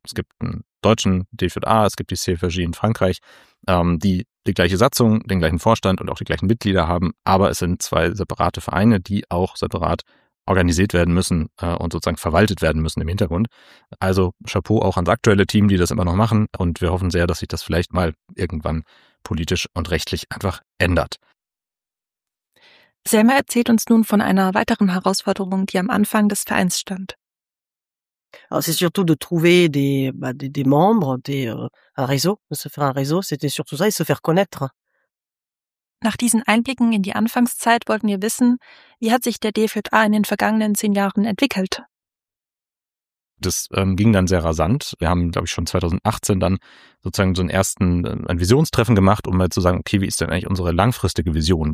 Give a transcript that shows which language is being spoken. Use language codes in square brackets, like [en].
[de] Es gibt einen deutschen DFJA, es gibt die CFRJ in Frankreich, die gleiche Satzung, den gleichen Vorstand und auch die gleichen Mitglieder haben, aber es sind 2 separate Vereine, die auch separat organisiert werden müssen und sozusagen verwaltet werden müssen im Hintergrund. Also Chapeau auch ans aktuelle Team, die das immer noch machen und wir hoffen sehr, dass sich das vielleicht mal irgendwann politisch und rechtlich einfach ändert. Selma erzählt uns nun von einer weiteren Herausforderung, die am Anfang des Vereins stand. [fr] Alors c'est surtout de trouver des membres, se faire un réseau, c'était surtout ça, et se faire connaître. [de] Nach diesen Einblicken in die Anfangszeit wollten wir wissen, wie hat sich der DFJA in den vergangenen 10 Jahren entwickelt? Das ging dann sehr rasant. Wir haben, glaube ich, schon 2018 dann sozusagen so einen ersten ein Visionstreffen gemacht, um mal zu sagen, okay, wie ist denn eigentlich unsere langfristige Vision?